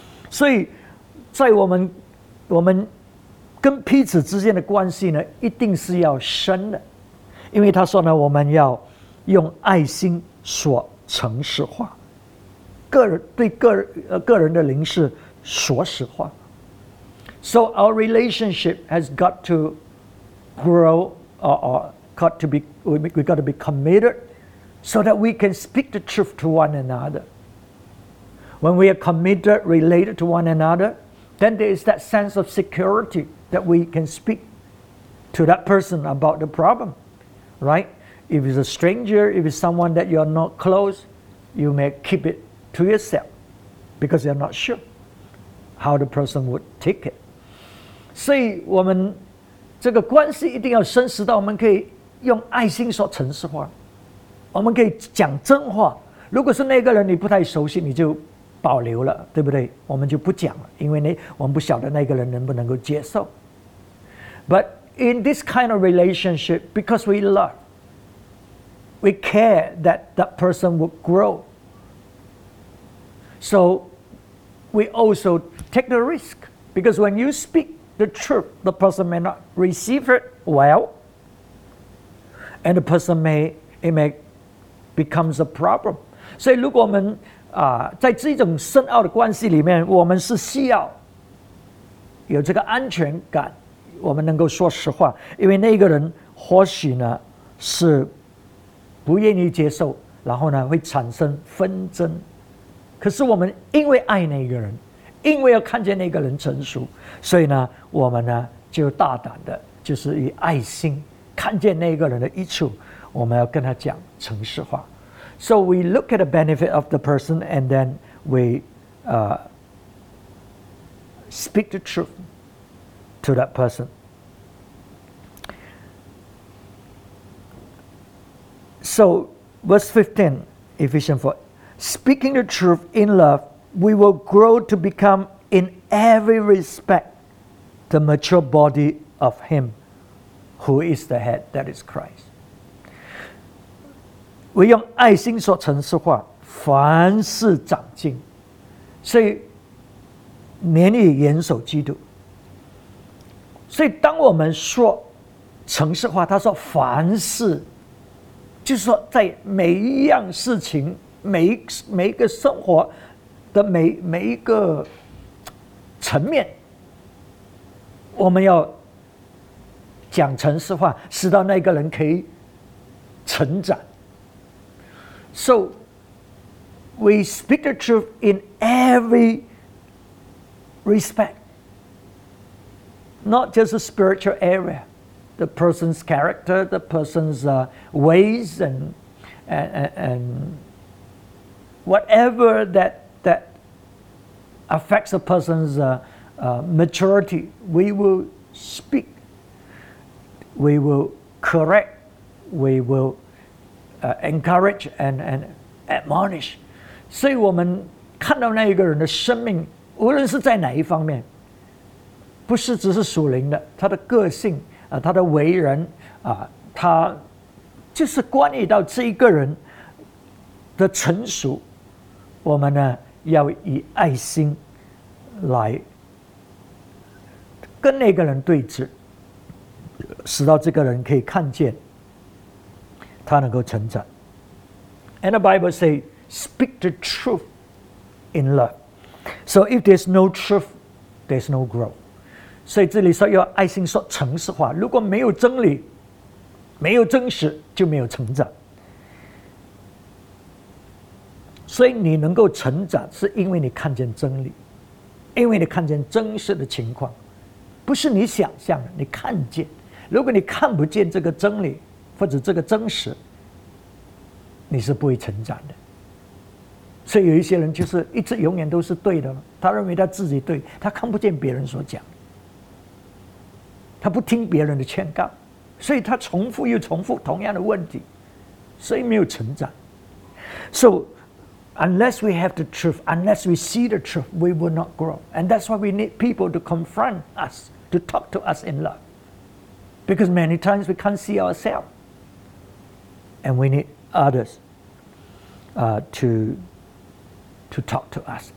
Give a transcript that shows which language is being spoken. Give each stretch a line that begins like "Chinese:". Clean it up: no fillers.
Chinese: 所以在我们跟彼此之间的关系呢，一定是要深的，因为他说呢，我们要用爱心说诚实话，个人的灵是说实话。
English: So our relationship has got to grow, we got to be committed, so that we can speak the truth to one another. When we are committed, related to one another, then there is that sense of security. That we can speak to that person about the problem, right? If it's a stranger, if it's someone that you're not close, you may keep it to yourself because you're not sure how the person would take it.
Chinese: 所以我们这个关系一定要深实到我们可以用爱心说诚实话，我们可以讲真话。如果是那个人你不太熟悉，你就保留了，对不对？我们就不讲了，因为呢，我们不晓得那个人能不能够接受。
English: But in this kind of relationship, because we love, we care that that person would grow. So we also take the risk. Because when you speak the truth, the person may not receive it well. And the person may become a problem.
Chinese: 所以如果我们在这种深奥的关系里面，我们是需要有这个安全感。我们能够说实话，因为那个人或许呢是不愿意接受，然后呢会产生纷争。可是我们因为爱那个人，因为要看见那个人成熟，所以呢我们呢就大胆的，就是以爱心看见那个人的益处，我们要跟他讲诚实话。
English: So we look at the benefit of the person, and then we speak the truth. To that person. So, verse 15, Ephesians 4, speaking the truth in love, we will grow to become in every respect the mature body of Him who is the head, that is Christ.
Chinese: 我用爱心说诚实话，凡事长进，所以免于严守基督。所以当我们说诚实话，他说凡事，就是说在每一样事情，每一个生活的每一个层面，我们要讲诚实话，使到那个人可以成长。
English: So we speak the truth in every respect. Not just a spiritual area, the person's character, the person's ways, and whatever that affects a person's maturity, we will speak, we will correct, we will encourage and admonish.
Chinese: 所以我们看到那一个人的生命，无论是在哪一方面。不是只是属灵的，他的个性啊，他的为人啊，他就是关于到这一个人的成熟，我们呢要以爱心来跟那个人对峙，使到这个人可以看见他能够成长。
English: And the Bible say, speak the truth in love. So if there's no truth, there's no growth.
Chinese: 所以这里说要爱心说诚实话，如果没有真理，没有真实，就没有成长。所以你能够成长是因为你看见真理，因为你看见真实的情况，不是你想象的，你看见。如果你看不见这个真理或者这个真实，你是不会成长的。所以有一些人就是一直永远都是对的，他认为他自己对，他看不见别人所讲，他不听别人的劝告，所以他重复又重复同样的问题，所以没有成长。
English: So unless we have the truth, unless we see the truth, we will not grow. And that's why we need people to confront us, to talk to us in love. Because many times we can't see ourselves. And we need others to talk to us.